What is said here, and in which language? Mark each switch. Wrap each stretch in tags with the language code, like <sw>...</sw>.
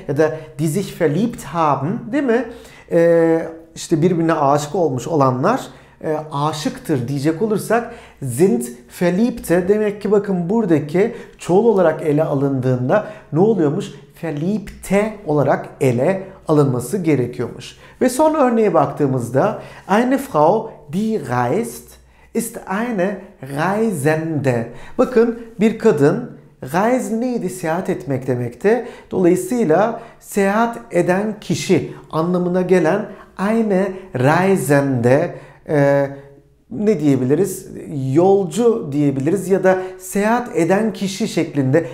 <tr>Ya da</tr> <de>die sich verliebt haben,</de> <tr>değil mi? İşte birbirine aşık olmuş olanlar aşıktır diyecek olursak</tr> <de>sind verliebte.</de> <tr>Demek ki bakın buradaki çoğul olarak ele alındığında ne oluyormuş? Verliebte olarak ele alınması gerekiyormuş. Ve son örneğe baktığımızda</tr> <de>eine Frau die reist ist eine Reisende.</de> <tr>Bakın bir kadın, reisen neydi? Seyahat etmek demekti. Dolayısıyla seyahat eden kişi anlamına gelen</tr> <de>eine Reisende,</de> <tr>ne diyebiliriz? Yolcu diyebiliriz ya da seyahat eden kişi şeklinde.</tr>